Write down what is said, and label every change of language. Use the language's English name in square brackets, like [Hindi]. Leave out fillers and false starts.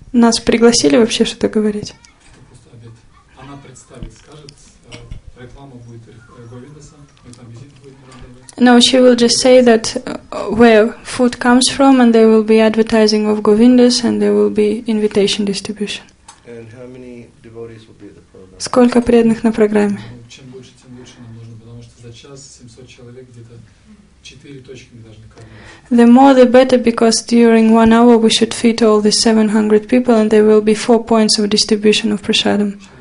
[Russian] Нас пригласили вообще что-то говорить? Она представит, скажет, реклама будет Говиндаса, мы там визит будем продавать. [English] No, she will just say that where food comes from, and there will be advertising of Govindas, and there will be invitation distribution. And how many devotees will be at the program? [Russian] Сколько преданных на программе? Чем больше, тем лучше нам нужно, потому что за час 700 человек где-то 4 точки мы должны кормить. [English] The more the better, because during 1 hour we should feed all the 700 people, and there will be 4 points of distribution of prasadam.